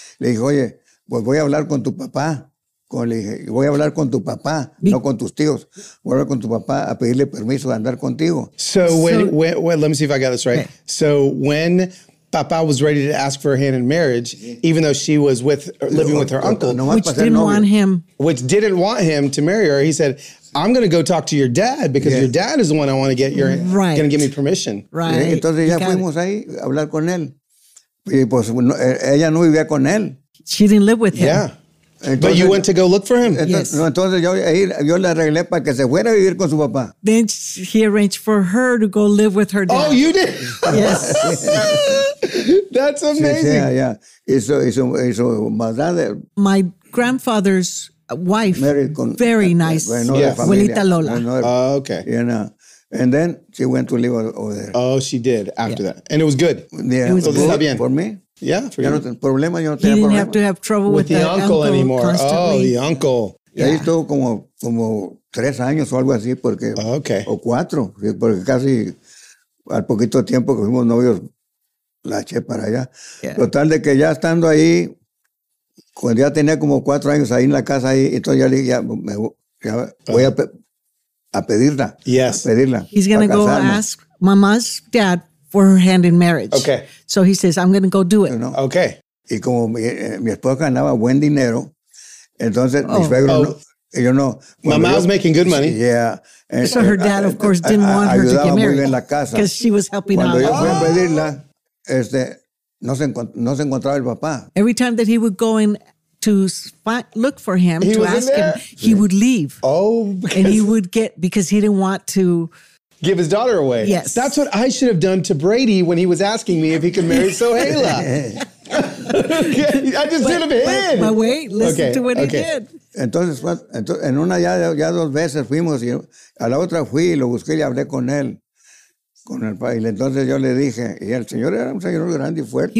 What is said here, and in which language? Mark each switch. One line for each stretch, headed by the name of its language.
Spanish: Le dijo, oye, pues voy a hablar con tu papá. Le dije, voy a hablar con tu papá, no con tus tíos. Voy a hablar con tu papá a pedirle permiso de andar contigo.
English: So, let me see if I got this right. Okay. So, when papá was ready to ask for a hand in marriage, even though she was living with her uncle, which didn't want him to marry her, he said, I'm going to go talk to your dad because your dad is the one I want to get going to give me permission. Right.
Spanish: Y entonces ya fuimos ahí a hablar con él. Y pues no, ella no vivía con él.
English: She didn't live with him. Yeah.
Spanish: Entonces,
English: but you went to go look for him.
Spanish: Entonces, yo le arreglé para que se fuera a vivir con su papá.
English: Then he arranged for her to go live with her dad. Oh, you did? Yes. That's amazing.
Spanish: Sí, sí,
English: yeah.
Spanish: Y su madre.
English: My grandfather's wife, very nice.
Spanish: Abuelita Lola.
English: Okay. You know. And then she went to live over there. Oh, she did after that. And it was good. Yeah. It was good for me. Yeah, for you. He didn't have to have trouble with the uncle anymore. Constantly. Oh, the uncle.
Spanish: Y ahí estuvo como 3 años o algo así, porque.
English: Okay.
Spanish: O 4. Porque casi al poquito tiempo que fuimos novios, la eché para allá. Total de que ya estando ahí, cuando ya tenía como 4 años ahí en la casa, ahí, entonces ya le dije, voy a pedirla.
English: Yes.
Spanish: A pedirla.
English: He's going to go ask mamá's dad for her hand in marriage. Okay. So he says, I'm going to go do it. No. Okay.
Spanish: Y como mi esposa ganaba buen dinero, entonces mi suegro
English: Mamá was making good money. Yeah. And so her dad, of course, didn't want her to get married. Because she was helping
Spanish: cuando
English: out.
Spanish: Cuando yo fui a pedirla, no se encontraba el papá.
English: Every time that he would go in to look for him, he to ask him, he would leave. Oh. And he would get, because he didn't want to give his daughter away. Yes. That's what I should have done to Brady when he was asking me if he could marry Sohaila. I just did it. But wait, listen to what he did.
Spanish: Entonces, en una ya dos veces fuimos, y a la otra fui, lo busqué y hablé con él. Con el padre. Entonces yo le dije, y el señor era un señor grande y fuerte.